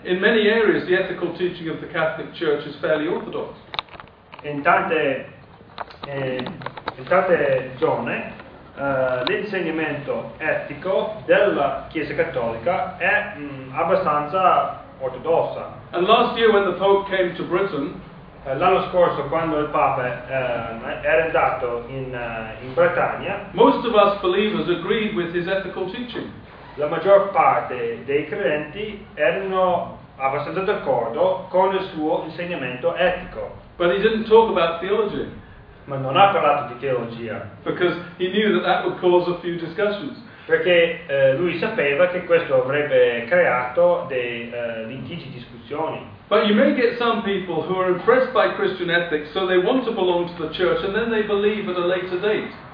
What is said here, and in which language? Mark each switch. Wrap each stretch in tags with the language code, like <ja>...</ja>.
<en>in many areas, the ethical teaching of the Catholic Church is fairly orthodox.</en> <it>In tante zone, l'insegnamento etico della Chiesa Cattolica è abbastanza ortodossa.</it> <en>And last year, when the Pope came to Britain,</en> <it>l'anno scorso quando il Papa era andato in Bretagna,</it> <en>most of us believers agreed with his ethical teaching.</en> <it>La maggior parte dei credenti erano abbastanza d'accordo con il suo insegnamento etico.</it> <en>But he didn't talk about theology.</en> <it>Ma non ha parlato di teologia.</it> <en>Because he knew that that would cause a few discussions.</en> <it>Perché lui sapeva che questo avrebbe creato dei litigi, discussioni.</it> <en>But you may get some people who are impressed by Christian ethics, so they want to belong to the church, and then they believe at a later date.</en>